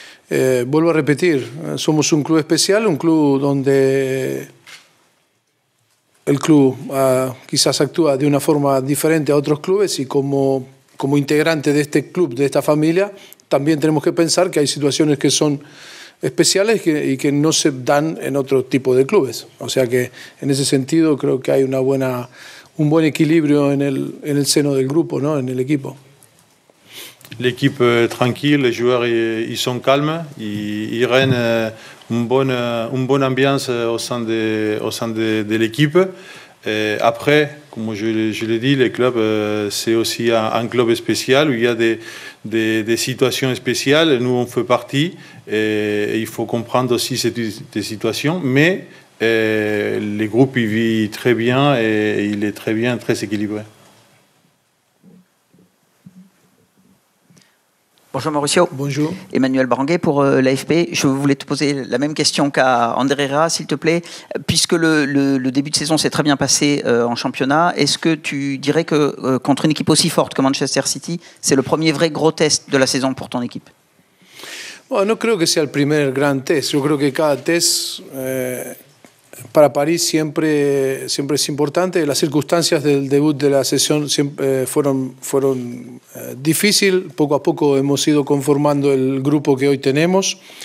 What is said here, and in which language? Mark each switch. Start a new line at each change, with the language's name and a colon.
Spanish: Vuelvo a repetir, somos un club especial, un club donde el club quizás actúa de una forma diferente a otros clubes y como integrante de este club, de esta familia, también tenemos que pensar que hay situaciones que son especiales y que no se dan en otro tipo de clubes. O sea que en ese sentido creo que hay una buena, un buen equilibrio en el seno del grupo, ¿no? En el equipo.
French: L'équipe est tranquille, les joueurs ils sont calmes, ils règnent une bonne ambiance au sein de l'équipe. Et après, comme je l'ai dit, le club c'est aussi un club spécial où il y a des situations spéciales. Nous on fait partie et il faut comprendre aussi ces situations. Mais le groupe il vit très bien et il est très bien, très équilibré. Bonjour Mauricio. Bonjour. Emmanuel Baranguet pour l'AFP. Je voulais te poser la même question qu'à André Herrera, s'il te plaît. Puisque le début de saison s'est très bien passé en championnat, est-ce que tu dirais que contre une équipe aussi forte que Manchester City, c'est le premier vrai gros test de la saison pour ton équipe ?
Spanish: Bon, no creo que sea el primer gran test. Yo creo que cada test para París siempre es importante. Las circunstancias del debut de la sesión siempre fueron difícil. Poco a poco hemos ido conformando el grupo que hoy tenemos.